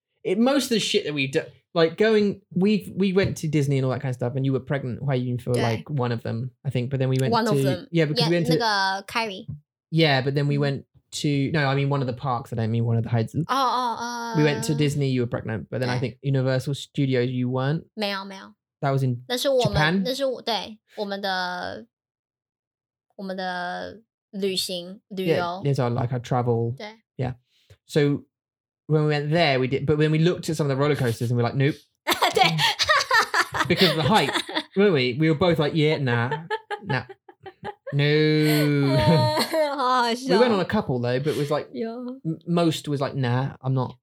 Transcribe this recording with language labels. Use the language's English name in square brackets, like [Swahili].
[English] It, most of the shit that we do, like going, we went to Disney and all that kind of stuff, and you were pregnant, why you feel like one of them, I think. But then we went one to. One of them. Yeah, because yeah, we went to. [Chinese] 那个 Kyrie. [English] Yeah, but then we went to. No, I mean one of the parks, I don't mean one of the hides. Oh, oh, oh. We went to Disney, you were pregnant, but then I think Universal Studios, you weren't. [Chinese] 没有没有 [English] That was in [Chinese] 那是我们, [English] Japan? [Chinese] 那是对我们的我们的旅行旅游 [English] yeah, these are like our travel [Chinese] 对 [English] yeah so when we went there we did but when we looked at some of the roller coasters and we're like nope [Chinese] 对 [English] because of the height weren't we we were both like yeah nah nah no [Chinese] 好好笑 [English] we went on a couple though but it was like most was like nah I'm not